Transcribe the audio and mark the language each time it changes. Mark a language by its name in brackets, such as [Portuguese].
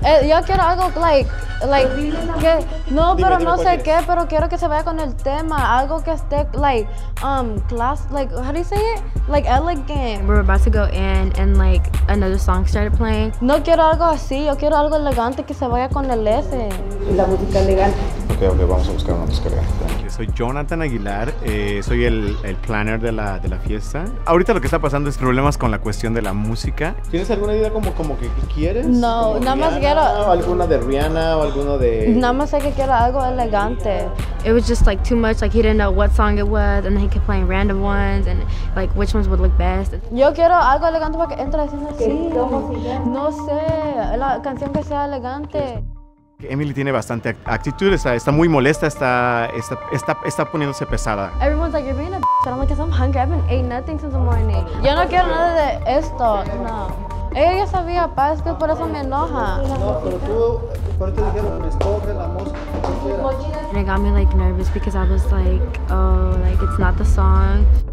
[Spanish] Yo quiero algo like que, no, pero dime, no sé qué, pero quiero que se vaya con el tema. Algo que esté [English] class, like, how do you say it? Like elegant. We're about to go in and like another song started playing. [Spanish] No quiero algo así, yo quiero algo elegante que se vaya con el ese. La música elegante. Okay, vamos a buscar una descarga. Yo soy Jonathan Aguilar, soy el planner de la fiesta. Ahorita lo que está pasando es problemas con la cuestión de la música. ¿Tienes alguna idea como que quieres? No, como nada más quiero... ¿Alguna de Rihanna o alguno de...? Nada más sé que quiero algo elegante. [English] It was just like too much, like he didn't know what song it was, and then he kept playing random ones, and like which ones would look best. [Spanish] Yo quiero algo elegante para que entre así. No sé, la canción que sea elegante. Emily tiene bastante actitud, está muy molesta, está poniéndose pesada. [English] Everyone's like, you're being a bitch, and I'm like, I'm hungry, I haven't ate nothing since the morning. [Spanish] Yo no quiero nada de esto, no. Ella ya sabía, pa, es que por eso me enoja. No, pero tú, ¿por qué te dijeron que me escoge la mosca? [English] And it got me like nervous because I was like, oh, like it's not the song.